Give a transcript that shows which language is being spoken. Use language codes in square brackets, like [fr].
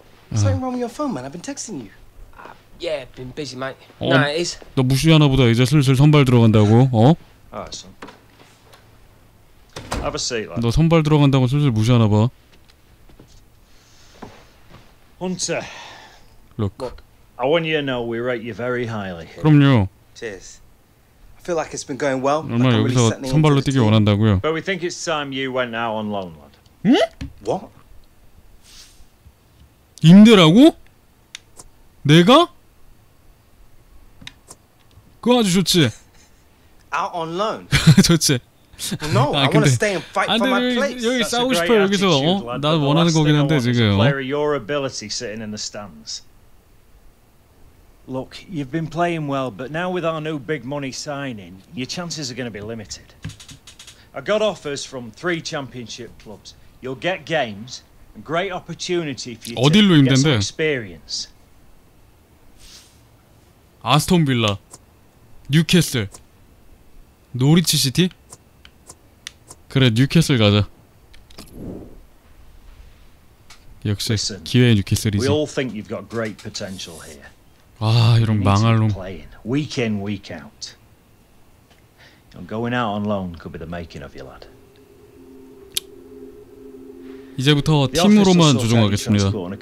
[en] Something wrong with your phone, man? I've been texting you. Yeah, been busy, mate. Nah, it is. [ko] 너 무시하나 보다. 이제 슬슬 선발 들어간다고, 어? [en] Awesome. Have a seat, lad. [ko] 너 선발 들어간다고 슬슬 무시하나 봐. [en] Hunter. Look. I want you to know we rate you very highly. [ko] 그럼요. [en] Cheers. I feel like it's been going well. [ko] 얼마 여기서 선발로 뛰길 원한다고요? [en] But we think it's time you went out on loan, lad. [ko] 응? [en] What? [ko] 임대라고? 내가? 그거 아주 좋지. [en] Out on loan. [ko] 좋지. [en] No, I want to stay and fight for my place. [ko] 여기 싸우고 싶어 여기서. 어? 나 원하는 거긴 한데 지금. [en] Player, your ability sitting in the stands. Look, you've been playing well, but now with our new big money signing, your chances are going to be limited. I got offers from three championship clubs. You'll get games, a great opportunity for you to get some experience. [ko] 아스톤 빌라, 뉴캐슬, 노리치 시티? 그래, 뉴캐슬 가자. 역시 기회의 뉴캐슬이지. [en] We all think you've got great potential here. [ko] 아, 이런 망할 놈. [en] Week in, week out. And going out on loan could be the making of you, lad. [ko] 이제부터 팀으로만 조종하겠습니다.